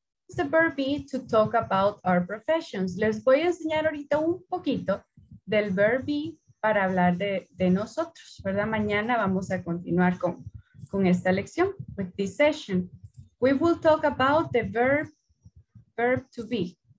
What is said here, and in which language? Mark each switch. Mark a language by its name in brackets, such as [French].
[English] The verb be to talk about our professions. [Spanish] Les voy a enseñar ahorita un poquito del verb be para hablar de nosotros, ¿verdad? Mañana vamos a continuar con esta lección, [English] with this session. We will talk about the verb to be.